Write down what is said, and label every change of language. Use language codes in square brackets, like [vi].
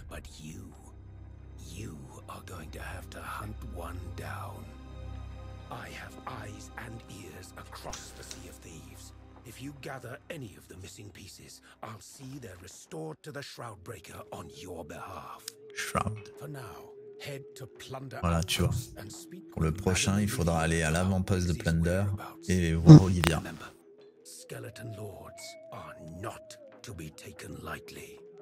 [en] But you, you are going to have to hunt one down. I have eyes and ears across the Sea of Thieves. If you gather any of the missing pieces, I'll see they're restored to the Shroudbreaker on your behalf. Shroud. For now. [fr] Voilà, tu vois. Pour le prochain, il faudra aller à l'avant-poste de Plunder et voir Olivia. [en] Skeleton lords are not to be taken lightly.